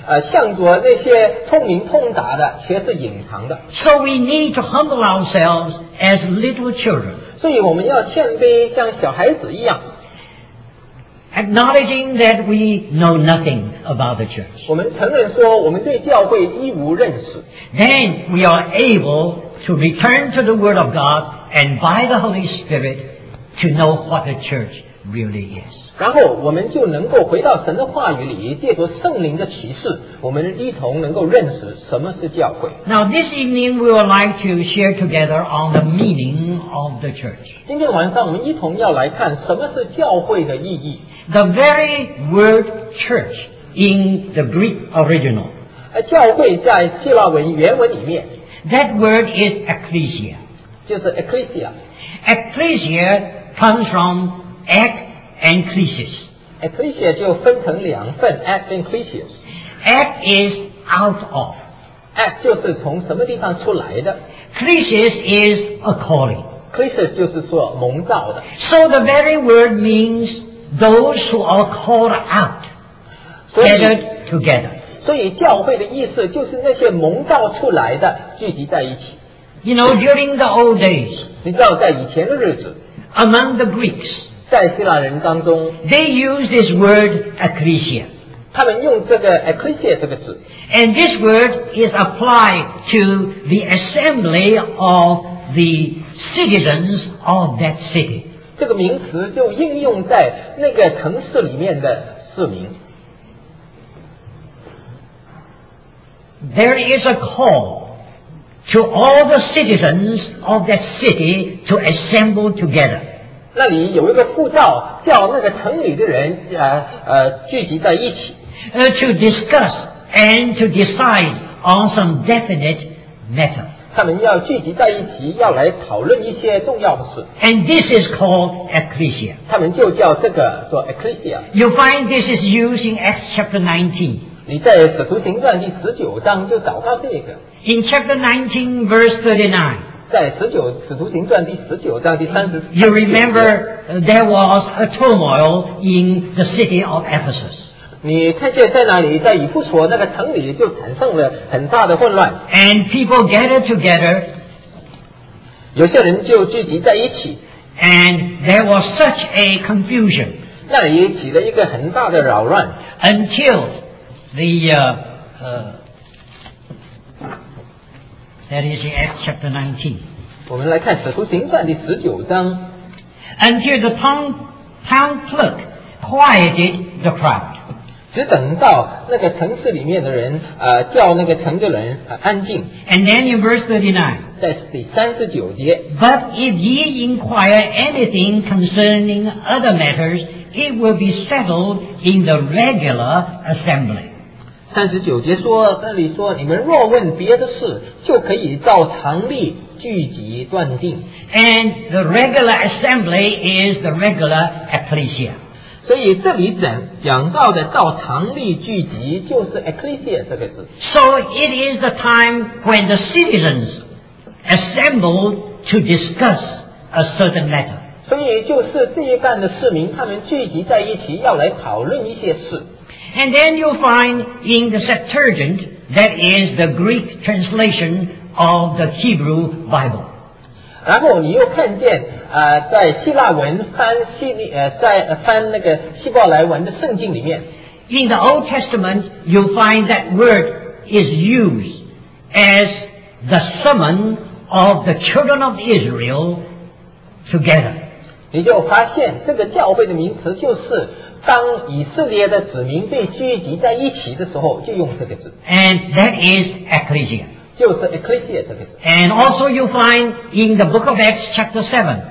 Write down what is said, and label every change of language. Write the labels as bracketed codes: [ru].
[zh] 向着那些聪明通达的却是隐藏的。 [en] So we need to humble ourselves as little children. [zh] 所以我们要谦卑像小孩子一样。 [en] Acknowledging that we know nothing about the church. [zh] 我们承认说我们对教会一无认识。 [en] Then we are able to return to the Word of God and by the Holy Spirit to know what the church really is. [zh] 然后我们就能够回到神的话语里，借着圣灵的启示，我们一同能够认识什么是教会。 [en] Now this evening we would like to share together on the meaning of the church. [zh] 今天晚上我们一同要来看什么是教会的意义。 [en] The very word church in the Greek original. [zh] 教会在希腊文原文里面。 [en] That word is ecclesia. [zh] 就是 ecclesia. [en] Ecclesia comes from ek and klesis. [zh] Ecclesia 就分成两份 ek and klesis. [en] Ek is out of. [zh] Ek 就是从什么地方出来的。 [en] Klesis is a calling. [zh] Klesis 就是说蒙召的。 [en] So the very word means those who are called out gathered together. [zh] 所以教会的意思就是那些蒙召出来的聚集在一起。 [en] You know, during the old days, [zh] 你知道在以前的日子 [en] among the Greeks, [zh] 在希腊人当中 [en] they use this word ecclesia. [zh] 他们用这个 ecclesia 这个字。 [en] And this word is applied to the assembly of the citizens of that city. [zh] 这个名词就应用在那个城市里面的市民。 [en] There is a call to all the citizens of that city to assemble together. [zh] 那里有一个呼召，叫那个城里的人聚集在一起。 [en] To discuss and to decide on some definite matter. [zh] 他们要聚集在一起，要来讨论一些重要的事。 [en] And this is called ecclesia. [zh] 他们就叫这个做 ecclesia. [en] You find this is used in Acts chapter 19. [zh] 你在使徒行传第十九章就找到这个。 [en] In chapter 19, verse 39. [zh] 在使徒行传第十九章第三十四节。 [en] You remember there was a turmoil in the city of Ephesus. [zh] 你看见在哪里？在以弗所那个城里就产生了很大的混乱。 [en] And people gathered together. [zh] 有些人就聚集在一起。 [en] And there was such a confusion. [zh] 那里起了一个很大的扰乱。 [en] Until. The that is in Acts chapter 19. [zh] 我们来看《使徒行传》第十九章。 [en] Until the town clerk quieted the crowd. [zh] 只等到那个城市里面的人叫那个城的人安静。 [en] And then in verse 39. [zh] 在第三十九节。 [en] But if ye inquire anything concerning other matters, it will be settled in the regular assembly. [zh] 三十九节说，那里说，你们若问别的事，就可以照常例聚集断定。 [en] And the regular assembly is the regular ecclesia. [zh] 所以这里讲到的照常例聚集就是 ecclesia 这个字。 [en] So it is the time when the citizens assemble to discuss a certain matter. [zh] 所以就是这一段的市民，他们聚集在一起，要来讨论一些事。 [en] And then you'll find in the Septuagint, that is the Greek translation of the Hebrew Bible. [zh] 然后你又看见在希腊文翻希腊在翻那个希伯来文的圣经里面。 [en] In the Old Testament, you'll find that word is used as the summon of the children of Israel together. [zh] 你就发现这个教会的名词就是当以色列的子民被聚集在一起的时候，就用这个字。 [en] And that is ecclesia. [zh] 就是 ecclesia 这个字。 [en] And also you find in the book of Acts chapter 7.